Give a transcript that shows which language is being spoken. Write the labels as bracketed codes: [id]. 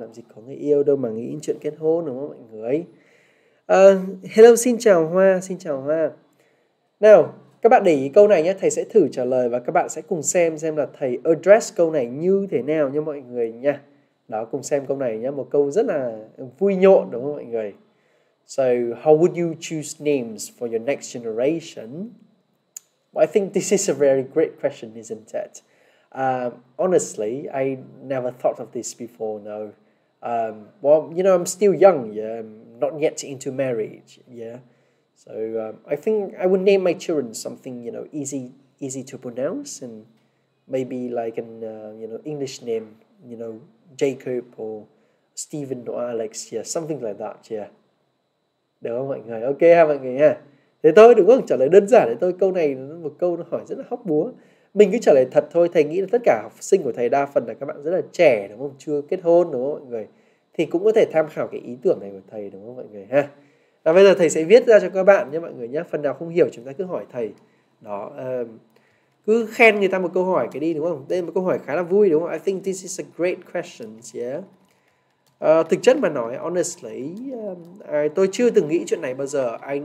[vi] Làm gì có người yêu đâu mà nghĩ chuyện kết hôn đúng không mọi người? Hello, xin chào Hoa. Xin chào Hoa. Nào, các bạn để ý câu này nhé. Thầy sẽ thử trả lời và các bạn sẽ cùng xem là thầy address câu này như thế nào nha mọi người nha. Đó, cùng xem câu này nhé. Một câu rất là vui nhộn đúng không mọi người? [en] So, how would you choose names for your next generation? Well, I think this is a very great question, isn't it? Honestly, I never thought of this before, no. Well, you know, I'm still young, yeah? I'm not yet into marriage, yeah? So, I think I would name my children something, you know, easy to pronounce and maybe like an, you know, English name, you know, Jacob or Stephen or Alex, yeah, something like that, yeah. [vi] Được không mọi người? Ok ha mọi người ha. Thế thôi đúng không? Trả lời đơn giản đấy thôi. Câu này một câu nó hỏi rất là hóc búa. Mình cứ trả lời thật thôi. Thầy nghĩ là tất cả học sinh của thầy đa phần là các bạn rất là trẻ đúng không? Chưa kết hôn đúng không mọi người? Thì cũng có thể tham khảo cái ý tưởng này của thầy đúng không mọi người ha. Và bây giờ thầy sẽ viết ra cho các bạn nhé mọi người nhé. Phần nào không hiểu chúng ta cứ hỏi thầy. Đó. Cứ khen người ta một câu hỏi cái đi đúng không? Đây là một câu hỏi khá là vui đúng không? [en] I think this is a great question, yeah. [vi] Thực chất mà nói, honestly, tôi chưa từng nghĩ chuyện này bao giờ.